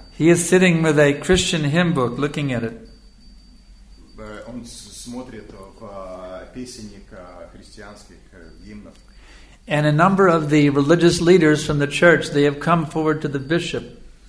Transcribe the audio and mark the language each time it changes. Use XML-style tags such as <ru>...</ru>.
<en>He is sitting with a Christian hymn book looking at it.</en> <ru>Он смотрит в песенник христианских гимнов.</ru> <en>And a number of the religious leaders from the church, they have come forward to the bishop.</en>